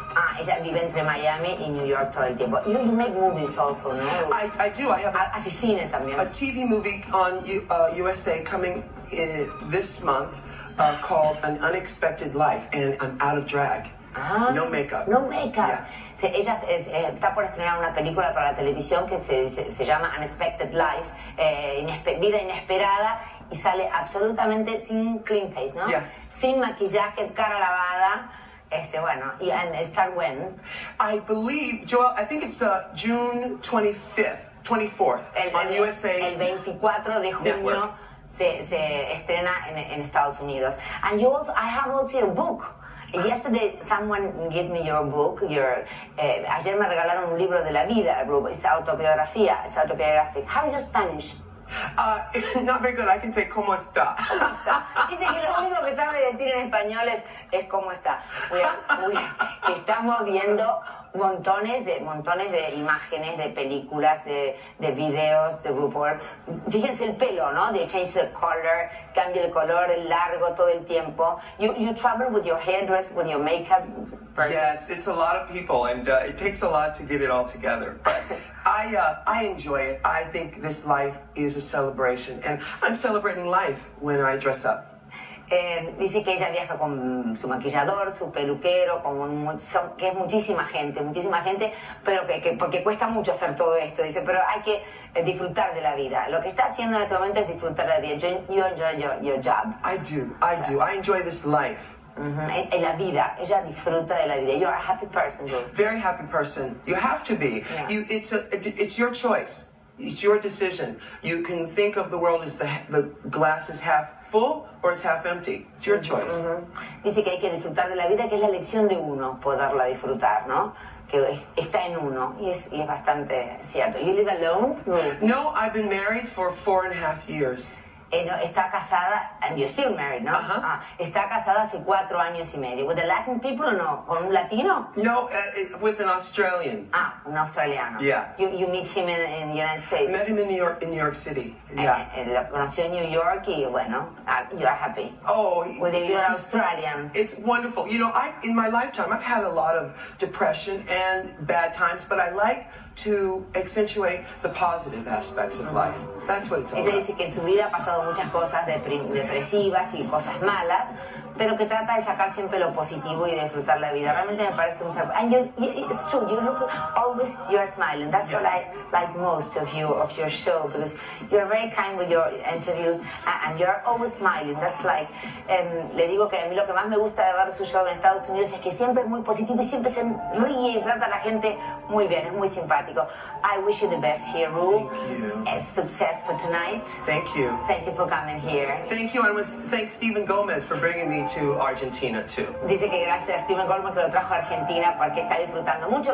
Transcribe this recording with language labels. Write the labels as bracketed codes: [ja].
[es] Ah, ella vive entre Miami y New York todo el tiempo. [en] You make movies also, [es] ¿no? [en] I do. I have [es] hace cine también. [en] A TV movie on USA coming in this month called An Unexpected Life, and I'm out of drag. No makeup. No makeup. Yeah. [es] Ella está por estrenar una película para la televisión que se llama Unexpected Life, vida inesperada, y sale absolutamente sin [en] clean face, [es] ¿no? [en] Yeah. [es] Sin maquillaje, cara lavada. Bueno, ¿y [en] start when? I believe, Joel, I think it's June 24th on USA. [es] El 24 de junio. [en] Network. [es] Se estrena en Estados Unidos. [en] And you also, I have also a book. Yesterday, someone gave me your book. [es] Ayer me regalaron un libro de la vida. Es autobiografía. [en] How is your Spanish? Not very good. I can say [es] cómo está. ¿Cómo está? Dice que lo único que sabe decir en español es cómo está. Estamos viendo montones de imágenes de películas, de videos de RuPaul. Fíjense el pelo, ¿no? [en] They change the color, [es] cambia el color, el largo todo el tiempo. [en] You travel with your hairdress, with your makeup person. Yes, it's a lot of people, and it takes a lot to get it all together. I enjoy it. I think this life is a celebration, and I'm celebrating life when I dress up. [es] Dice que ella viaja con su maquillador, su peluquero, que es muchísima gente, pero que porque cuesta mucho hacer todo esto. Dice, pero hay que disfrutar de la vida. Lo que está haciendo en este momento es disfrutar de la vida. [en] You enjoy your job. I do. I enjoy this life. Uh-huh. [es] En la vida, ella disfruta de la vida. [en] You are a happy person, Joel. Very happy person. You have to be. Yeah. It's your choice. It's your decision. You can think of the world as the glass is half full or it's half empty. It's your choice. Uh-huh. [es] Dice que hay que disfrutar de la vida, que es la elección de uno, poderla disfrutar, ¿no? Que está en uno, y es bastante cierto. [en] You live alone? No, I've been married for 4.5 years. [es] Está casada, [en] and you're still married, [es] ¿no? Uh-huh. Está casada hace 4 años y medio. [en] ¿With a Latin people [es] o no? ¿Con un latino? [en] No, with an Australian. [es] Ah, un australiano. [en] Yeah. You meet him in the United States. Met him in New York City, yeah. [es] Lo conoció en New York y, bueno, [en] you are happy. Oh. With a good Australian. It's wonderful. You know, in my lifetime, I've had a lot of depression and bad times, but I like to accentuate the positive aspects of life. That's what it's all about. [es] Ella dice que en su vida ha pasado muchas cosas depresivas y cosas malas, pero que trata de sacar siempre lo positivo y disfrutar la vida. Realmente me parece un ser. [en] And it's true, you look always, you're smiling. That's what I like most of you, of your show, because you're very kind with your interviews and you're always smiling. That's like, [es] le digo que a mí lo que más me gusta de ver su show en Estados Unidos es que siempre es muy positivo y siempre se ríe y trata a la gente muy bien, es muy simpático. [en] I wish you the best here, Ru. Thank you. Success for tonight. Thank you. Thank you for coming here. Thank you, and thanks Stephen Gomez for bringing me to Argentina too. [es] Dice que gracias a Stephen Gomez que lo trajo a Argentina porque está disfrutando mucho.